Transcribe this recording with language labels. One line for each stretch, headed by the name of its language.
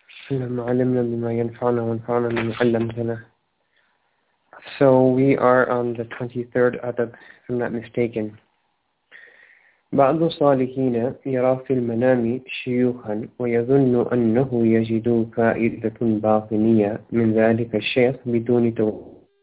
Arabic: اللهم علمنا بما ينفعنا وانفعنا بما علمتنا.
English: So we are on the 23rd adab, if I'm not mistaken.
Arabic: بعض الصالحين يرى في المنام شيوخا ويظن أنه يجد فائدة باطنية من ذلك الشيخ بدون توفيق.